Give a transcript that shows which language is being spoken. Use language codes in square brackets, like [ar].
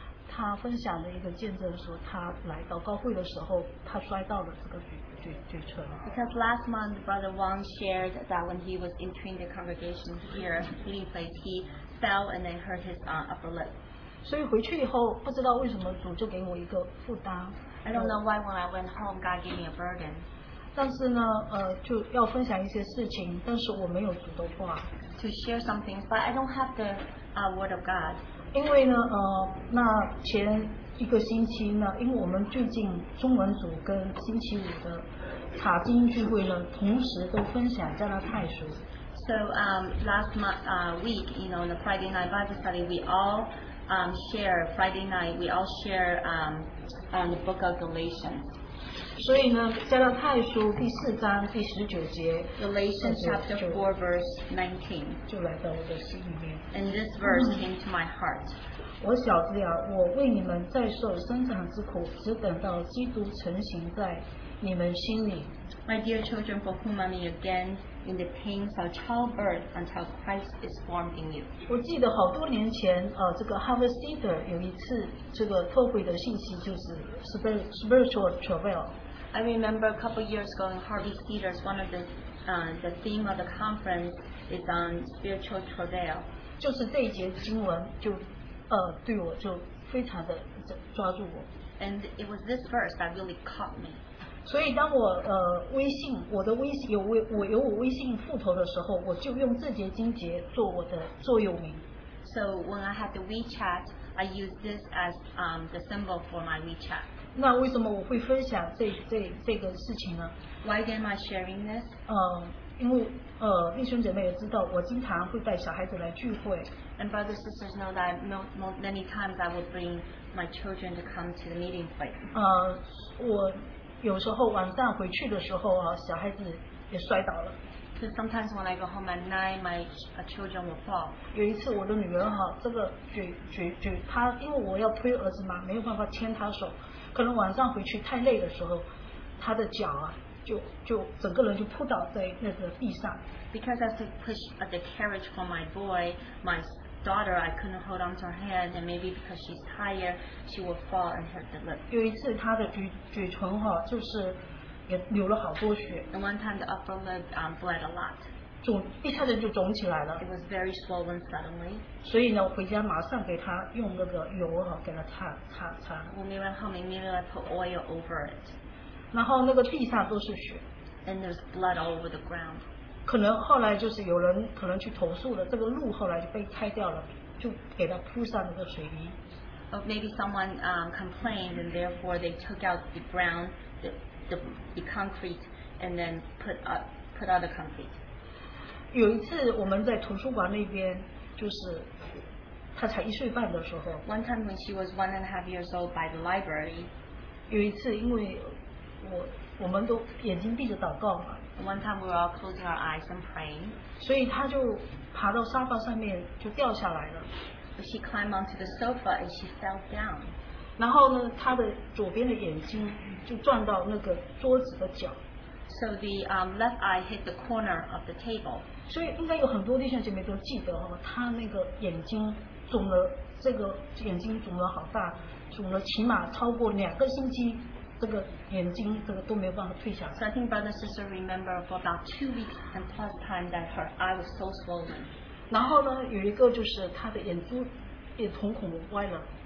[zh] 他分享的一个见证说他来祷告会的时候他摔到了这个 嘴唇 [en] because last month Brother Wang shared that when he was entering the congregation here meeting place he fell and then hurt his upper lip [zh] 所以回去以后不知道为什么主就给我一个负担 [en] I don't know why when I went home God gave me a burden [zh] 但是呢就要分享一些事情但是我没有主的话 [en] to share some things but I don't have the word of God [zh] 因为呢，那前一个星期呢，因为我们最近中文组跟星期五的查经聚会呢，同时都分享加拉太书。 [en] So last month week, you know, the Friday night Bible study, we all share Friday night, we all share on the book of Galatians. [zh] 所以呢，加拉太书第四章第十九节 [en] ，Galatians chapter four verse 19， [zh] 就来到我的心里面。 [en] And this verse came to my heart. [zh] 我小子啊，我为你们再受生长之苦，只等到基督成形在你们心里。 [en] My dear children, for whom I'm again in the pains of childbirth until Christ is formed in you. [zh] 我记得好多年前，这个 Harvest Theater 有一次这个特会的信息就是 [en] spiritual travail. I remember a couple years ago in Harvest Theater, one of the theme of the conference is on spiritual travail. [zh] 就是这一节经文就对我就非常的抓住我 [en] and it was this verse that really caught me [zh] 所以当我微信我的微信有我微信复投的时候我就用这节经节做我的座右铭 [en] so when I had the WeChat I used this as the symbol for my WeChat [zh] 那为什么我会分享这个事情呢 [en] why am I sharing this [zh] 因为弟兄姐妹也知道我经常会带小孩子来聚会 [en] and brothers and sisters know that many times I would bring my children to come to the meeting place [zh] 我有时候晚上回去的时候小孩子也摔倒了 [en] so sometimes when I go home at night my children will fall [zh] 有一次我的女儿这个她因为我要推儿子嘛没有办法牵她手可能晚上回去太累的时候她的脚就整个人就扑倒在那个地上。 [en] Because I had to push the carriage for my boy, my daughter, I couldn't hold on to her hand, and maybe because she's tired, she would fall and hurt the lip. [zh] 有一次她的嘴唇就是也流了好多血。 [en] And one time the upper lip bled a lot. [zh] 一下子就肿起来了。 [en] It was very swollen suddenly. [zh] 所以呢，回家马上给她用那个油给她擦。 [en] When we went home, immediately I put oil over it. [zh] 然后那个地上都是血 [en] and there's blood all over the ground [zh] 可能后来就是有人可能去投诉了这个路后来就被拆掉了就给他铺上那个水泥 [en] or maybe someone complained and therefore they took out the ground the concrete and then put out the concrete [zh] 有一次我们在图书馆那边就是他才一岁半的时候 [en] one time when she was 1.5 years old by the library [zh] 有一次因为我们都眼睛闭着祷告嘛。 [en] One time we were all closing our eyes and praying. [zh] 所以他就爬到沙发上面就掉下来了。 [en] She climbed onto the sofa and she fell down. [zh] 然后呢，他的左边的眼睛就撞到那个桌子的角。 [en] So the left eye hit the corner of the table. [zh] 所以应该有很多弟兄姐妹都记得他那个眼睛肿了，这个眼睛肿了好大，肿了起码超过两个星期。这个眼睛这个都没有办法退下来。 [en] So I think brother sister remember for about 2 weeks and plus time that her eye was so swollen. [zh] 然后呢，有一个就是她的眼珠也瞳孔歪了。